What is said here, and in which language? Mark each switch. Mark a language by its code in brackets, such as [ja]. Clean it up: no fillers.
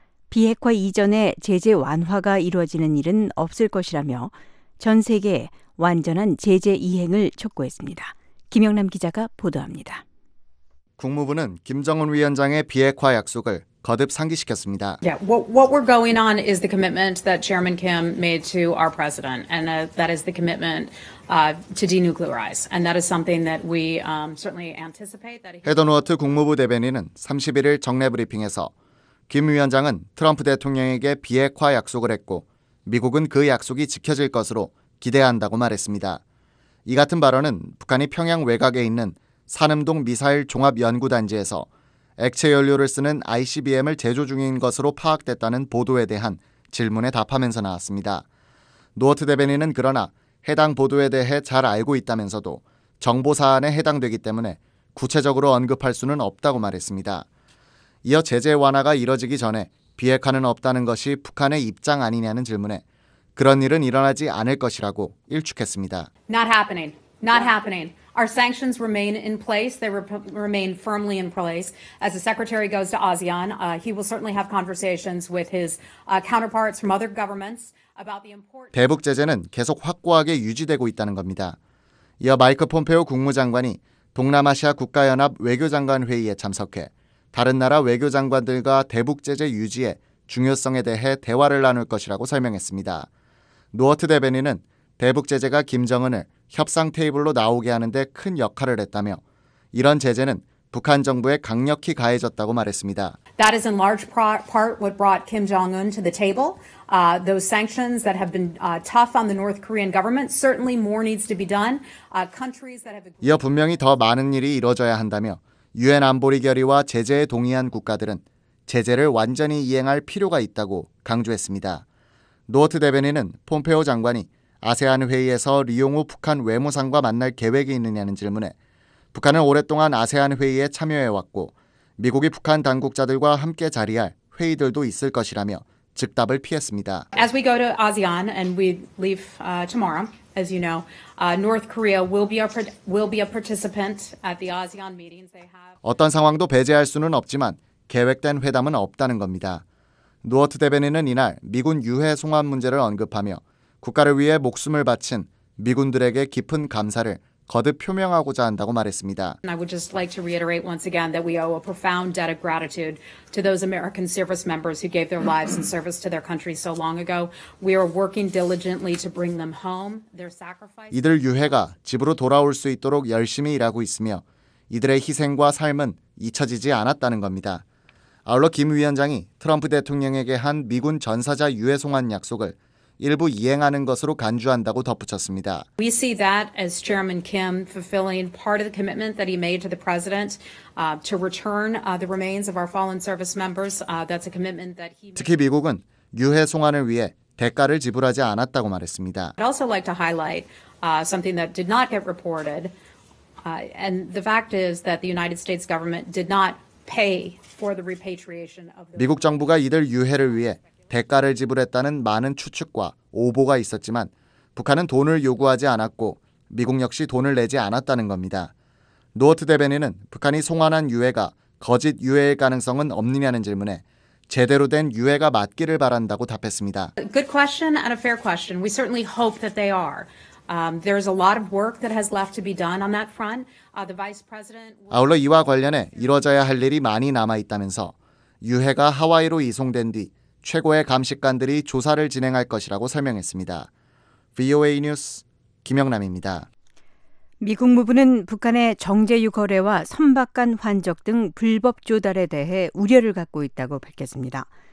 [ko] 비핵화 이전에 제재 완화가 이루어지는 일은 없을 것이라며 전 세계에 완전한 제재 이행을 촉구했습니다. 김영남 기자가 보도합니다. 국무부는 김정은 위원장의 비핵화 약속을 거듭 상기시켰습니다. [en] Yeah, what we're going on is the commitment that Chairman Kim made to our president, and that is the commitment to denuclearize, and that is something that we certainly anticipate. [ko] 헤더노어트 국무부 대변인은 31일 정례 브리핑에서 김 위원장은 트럼프 대통령에게 비핵화 약속을 했고 미국은 그 약속이 지켜질 것으로 기대한다고 말했습니다. 이 같은 발언은 북한이 평양 외곽에 있는 산음동 미사일 종합연구단지에서 액체 연료를 쓰는 ICBM을 제조 중인 것으로 파악됐다는 보도에 대한 질문에 답하면서 나왔습니다. 노어트 대변인은 그러나 해당 보도에 대해 잘 알고 있다면서도 정보 사안에 해당되기 때문에 구체적으로 언급할 수는 없다고 말했습니다. 이어 제재 완화가 이뤄지기 전에 비핵화는 없다는 것이 북한의 입장 아니냐는 질문에 그런 일은 일어나지 않을 것이라고 일축했습니다. [en] Not happening. Not happening. Our sanctions remain in place. They remain firmly in place. As the secretary goes to ASEAN, he will certainly have conversations with his counterparts from other governments about the importance. [ko] 대북 제재는 계속 확고하게 유지되고 있다는 겁니다. 이어 마이크 폼페오 국무장관이 동남아시아 국가연합 외교장관 회의에 참석해 다른 나라 외교장관들과 대북 제재 유지의 중요성에 대해 대화를 나눌 것이라고 설명했습니다. 노어트 대변인은 대북 제재가 김정은을 협상 테이블로 나오게 하는 데 큰 역할을 했다며 이런 제재는 북한 정부에 강력히 가해졌다고 말했습니다. [en] That is in large part what brought Kim Jong-un to the table. Those sanctions that have been tough on the North Korean government, certainly more needs to be done. Countries that have [ko] 이어 분명히 더 많은 일이 이루어져야 한다며 유엔 안보리 결의와 제재에 동의한 국가들은 제재를 완전히 이행할 필요가 있다고 강조했습니다. 노어트 대변인은 폼페오 장관이 아세안 회의에서 리용우 북한 외무상과 만날 계획이 있느냐는 질문에 북한은 오랫동안 아세안 회의에 참여해왔고 미국이 북한 당국자들과 함께 자리할 회의들도 있을 것이라며 즉답을 피했습니다. [en] As we go to ASEAN and we leave tomorrow, as you know, North Korea will be a participant at the ASEAN meetings they have. [ko] 어떤 상황도 배제할 수는 없지만 계획된 회담은 없다는 겁니다. 노어트 대변인은 이날 미군 유해 송환 문제를 언급하며 국가를 위해 목숨을 바친 미군들에게 깊은 감사를 거듭 표명하고자 한다고 말했습니다. [en] I would just like to reiterate once again that we owe a profound debt of gratitude to those American service members who gave their lives in service to their country so long ago. We are working diligently to bring them home. Their sacrifice. [ko] 이들 유해가 집으로 돌아올 수 있도록 열심히 일하고 있으며 이들의 희생과 삶은 잊혀지지 않았다는 겁니다. 아울러 김 위원장이 트럼프 대통령에게 한 미군 전사자 유해송환 약속을 일부 이행하는 것으로 간주한다고 덧붙였습니다. [en] We see that as Chairman Kim fulfilling part of the commitment that he made to the president to return the remains of our fallen service members. That's a commitment that he. [ko] 특히 미국은 유해 송환을 위해 대가를 지불하지 않았다고 말했습니다. [en] I'd also like to highlight something that did not get reported, and the fact is that the United States government did not pay for the repatriation of. [ko] 미국 정부가 이들 유해를 위해 대가를 지불했다는 많은 추측과 오보가 있었지만 북한은 돈을 요구하지 않았고 미국 역시 돈을 내지 않았다는 겁니다. 노어트 대변인은 북한이 송환한 유해가 거짓 유해일 가능성은 없느냐는 질문에 제대로 된 유해가 맞기를 바란다고 답했습니다. [en] Good question and a fair question. We certainly hope that they are. There's a lot of work that has left to be done on that front. The vice president. [ko] 아울러 이와 관련해 이뤄져야 할 일이 많이 남아 있다면서 유해가 하와이로 이송된 뒤 최고의 감식관들이 조사를 진행할 것이라고 설명했습니다. VOA 뉴스 김영남입니다. 미국 무부는 북한의 정제유 거래와 선박 간 환적 등 불법 조달에 대해 우려를 갖고 있다고 밝혔습니다.